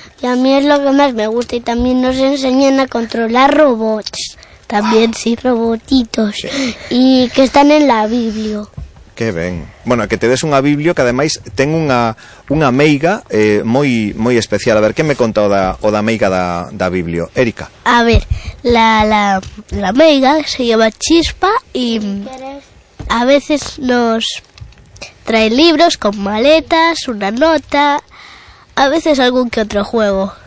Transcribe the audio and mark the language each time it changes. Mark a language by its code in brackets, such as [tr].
[es] Y a mí es lo que más me gusta, y también nos enseñan a controlar robots. También, wow. Sí, robotitos. Y que están en la Biblia. [gl] Qué ben. Bueno, que te des unha biblio que ademais ten unha meiga moi moi especial. A ver, que me contou da meiga da biblio, Erika? [es] A ver, la meiga se llama Chispa y a veces nos trae libros con maletas, una nota, a veces algún que otro juego.